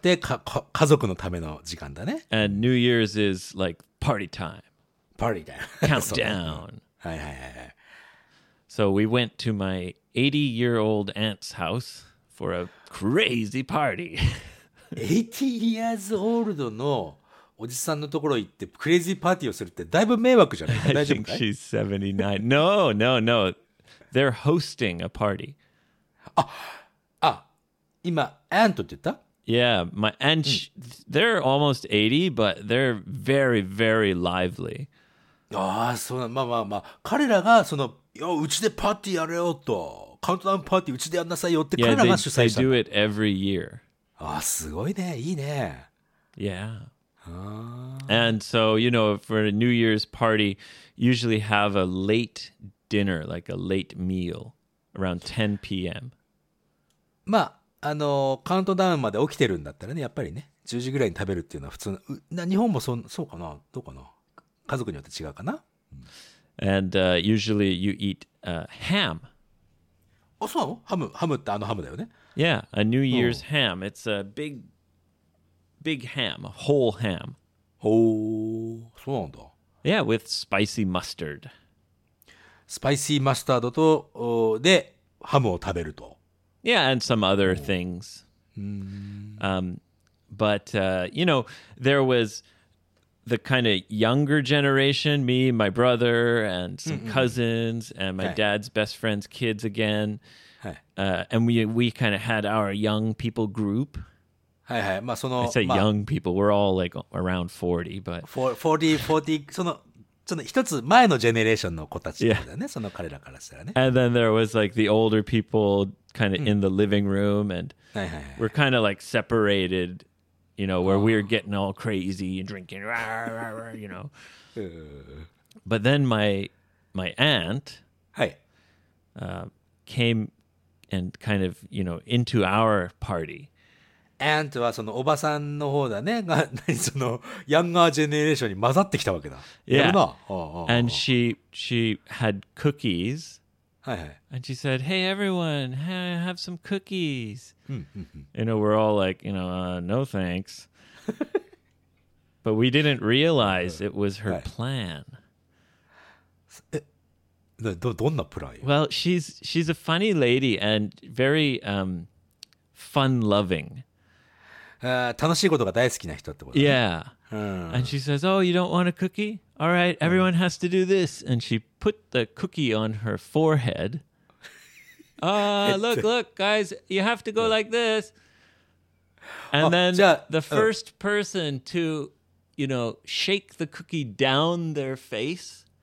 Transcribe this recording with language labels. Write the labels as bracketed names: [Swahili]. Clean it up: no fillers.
[Japanese] そうだね、クリスマスは恋人のためじゃなくて、家族のための時間だね。 [English] And New Year's is like party time. Party time. Countdown. [Japanese] はいはいはい。 [English] So we went to my 80-year-old aunt's house for a crazy party. 80 years old [Japanese] のおじさんのところ行ってクレイジーパーティーをするってだいぶ迷惑じゃない？大丈夫かい？ [English] I think she's 79. No, no, no. They're hosting a party. [Japanese] あ、今、アントって言った？ [English] Yeah, my aunt, they're almost 80, but they're very, very lively. [Japanese] ああ、そうなの。まあまあまあ。彼らがその、よ、うちでパーティーやれよと。 [English] Countdown party, they do it every year. [Japanese] Ah, すごいね, いいね. [English] Yeah. And so, you know, for a New Year's party, usually have a late dinner, like a late meal, around 10 p.m. [Japanese] まあ、あのカウントダウンまで起きてるんだったらね、やっぱりね10時ぐらいに食べるっていうのは普通な、日本も そうかな、どうかな、家族によって違うかな。 [English] And、usually you eat、ham。 [Japanese] あ、そうなの？ハム、ハムってあのハムだよね。 [English] Yeah, a New Year's、うん、ham. It's a big big ham, a whole ham. [Japanese] おー、そうなんだ。 [English] Yeah, with spicy mustard. [Japanese] スパイシーマスタードとでハムを食べると。 [English] Yeah, and some other things. But, you know, there was the kind of younger generation, me, my brother, and some cousins, and my dad's best friend's kids again. And we kind of had our young people group. I say young people, we're all like around 40, but... [Japanese] 40, その一つ前のジェネレーションの子たちだね、その彼らからしたらね。 [English] And then there was like the older people kind of in the living room, and we're kind of like separated, you know, where we're getting all crazy and drinking, you know. But then my aunt came and kind of, you know, into our party. [Japanese] Aunt はそのおばさんの方だね。そのヤンガージェネレーションに混ざってきたわけだ。 [English] Yeah. [Japanese] やるな。 [English] And she had cookies. [Japanese] はいはい。 [English] And she said, hey everyone, hey, have some cookies. You know, we're all like, you know, no thanks. But we didn't realize it was her plan. [Japanese] どんなプラン？ [English] Well, she's a funny lady and very fun loving. [Japanese] 楽しいことが大好きな人ってことね。 [English] Yeah.、うん、and she says, oh, you don't want a cookie? All right, everyone has to do this. And she put the cookie on her forehead. look, guys, you have to go like this. And then the first person to, you know, shake the cookie down their face、